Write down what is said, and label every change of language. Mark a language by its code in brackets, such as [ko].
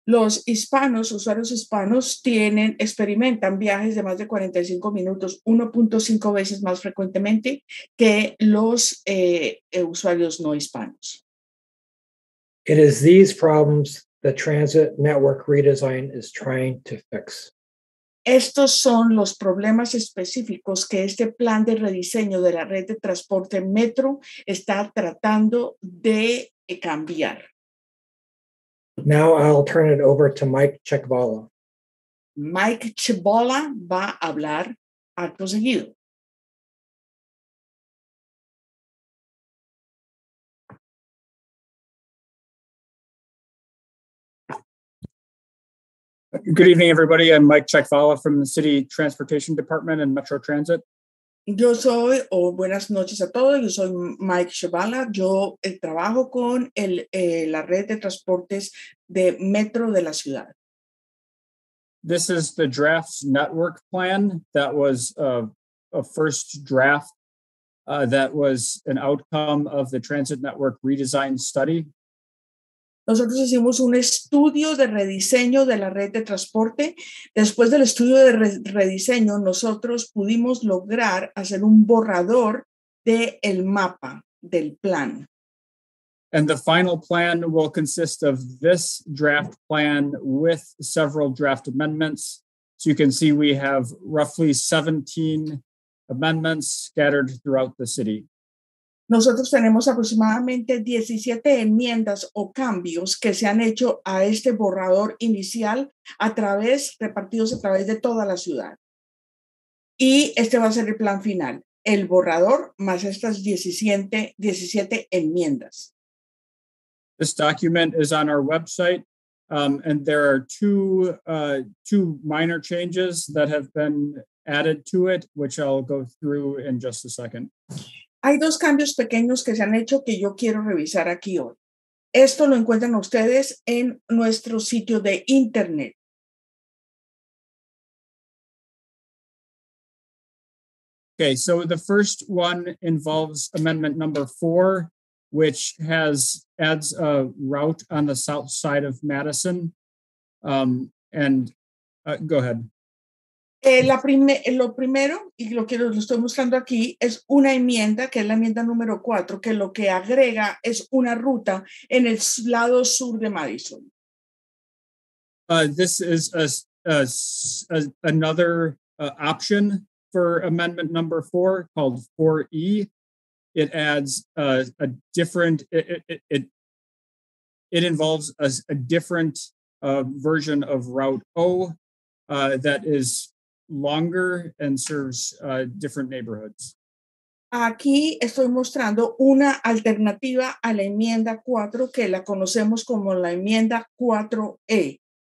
[es] Los hispanos, usuarios hispanos, tienen, experimentan viajes de más de 45 minutos 1.5 veces más frecuentemente que los usuarios no hispanos. [en] It is these problems the transit network redesign is trying to fix. [es] Estos son los problemas específicos que este plan de rediseño de la red de transporte metro está tratando de cambiar. [en] Now I'll turn it over to Mike Cicavola. [es] Mike Cicavola va a hablar acto seguido. [en] Good evening, everybody. I'm Mike Cicavola from the City Transportation Department and Metro Transit. [es] Yo soy, o buenas noches a todos. Yo soy Mike Cicavola. Yo trabajo con la red de transportes de Metro de la ciudad. [en] This is the draft network plan that was a first draft that was an outcome of the transit network redesign study. [es] Nosotros hicimos un estudio de rediseño de la red de transporte. Después del estudio de rediseño, nosotros pudimos lograr hacer un borrador del mapa, del plan. [en] And the final plan will consist of this draft plan with several draft amendments. So you can see we have roughly 17 amendments scattered throughout the city. [es] Nosotros tenemos aproximadamente 17 enmiendas o cambios que se han hecho a este borrador inicial a través, repartidos a través de toda la ciudad. Y este va a ser el plan final, el borrador más estas 17 enmiendas. [en] This document is on our website, and there are two minor changes that have been added to it, which I'll go through in just a second. [es] Hay dos cambios pequeños que se han hecho que yo quiero revisar aquí hoy. Esto lo encuentran ustedes en nuestro sitio de internet. [en] Okay, so the first one involves amendment number 4, which adds a route on the south side of Madison. Go ahead. [es] Lo estoy mostrando aquí, es una enmienda, que es la enmienda número 4, que lo que agrega es una ruta en el lado sur de Madison. [en] This is another option for amendment number 4, called 4E. It adds a different, it involves a different version of Route O that is longer and serves different neighborhoods. [es] Aquí estoy mostrando una alternativa a la enmienda 4 que la conocemos como la enmienda 4E.